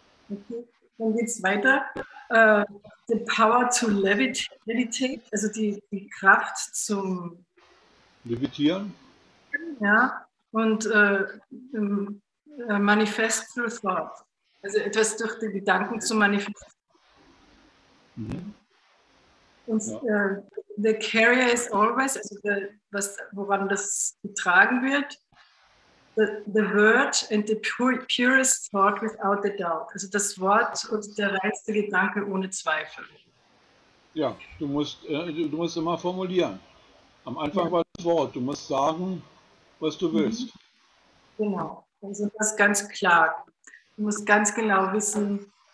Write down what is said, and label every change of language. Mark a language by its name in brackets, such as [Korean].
[German] Okay. Dann geht es weiter. [English] The power to levitate, [German] also die Kraft zum. Levitieren. Ja, und [English] manifest through thought, [German] also etwas durch die Gedanken zu manifestieren. Und Ja. [English] the carrier is always, [German] also woran das getragen wird, [English] the word and the purest thought without a doubt. [German] Also das Wort und der reinste Gedanke ohne Zweifel. Ja, du musst immer formulieren. Am Anfang Ja. war das Wort. Du musst sagen, was du willst. Genau. Also das ganz klar. Du musst ganz genau wissen,